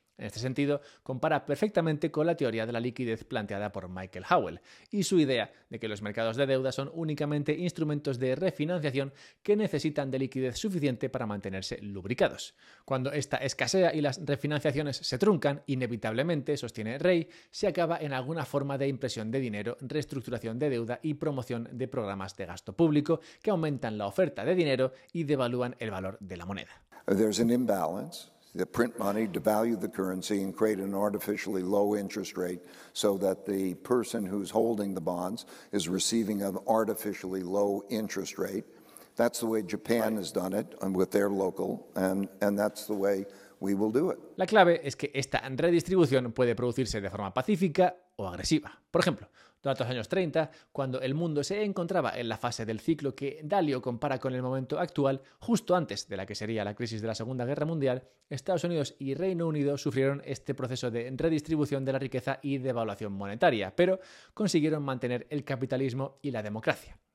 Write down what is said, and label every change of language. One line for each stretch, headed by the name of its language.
Spanish: En este sentido, compara perfectamente con la teoría de la liquidez planteada por Michael Howell y su idea de que los mercados de deuda son únicamente instrumentos de refinanciación que necesitan de liquidez suficiente para mantenerse lubricados. Cuando esta escasea y las refinanciaciones se truncan, inevitablemente, sostiene Ray, se acaba en alguna forma de impresión de dinero, reestructuración de deuda y promoción de programas de gasto público que aumentan la oferta de dinero y devalúan el valor de la moneda.
English: There's an imbalance. The print money devalue the currency and create an artificially low interest rate so that the person who's holding the bonds is receiving an artificially low interest rate. That's the way Japan has done it with their local, and that's the way we will do it.
Spanish: La clave es que esta redistribución puede producirse de forma pacífica o agresiva. Por ejemplo, durante los años 30, cuando el mundo se encontraba en la fase del ciclo que Dalio compara con el momento actual, justo antes de la que sería la crisis de la Segunda Guerra Mundial, Estados Unidos y Reino Unido sufrieron este proceso de redistribución de la riqueza y devaluación monetaria, pero consiguieron mantener el capitalismo y la democracia.